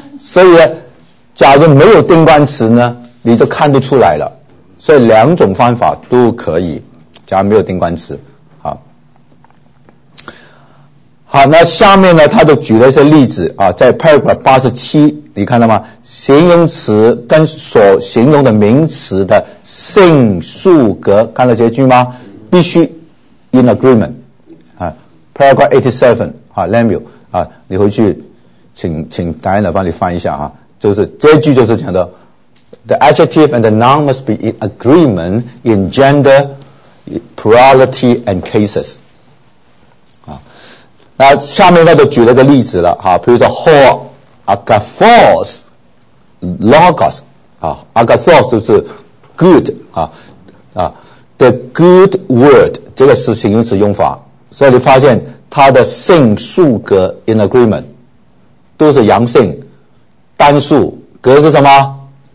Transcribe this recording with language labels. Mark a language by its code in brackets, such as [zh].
[zh] 所以假如没有定冠词呢，你就看得出来了，所以两种方法都可以，假如没有定冠词。好，那下面呢他就举了一些例子啊，在 paragraph 87你看到吗，形容词跟所形容的名词的性数格，看到这句吗？必须 [en] in agreement [zh] 啊， paragraph 87 Lemuel 啊，你回去请 Diana 帮你翻一下啊，就是这句就是讲的 [en] the adjective and the noun must be in agreement in gender plurality and cases。 [zh] 那下面他就举了个例子了哈，比如说 [el] whole agathos logos [zh] 啊， agathos 就是 good 啊， [en] the good word [zh] 这个是形容词用法，所以你发现它的性数格 [en] in agreement [zh] 都是阳性，单数格是什么？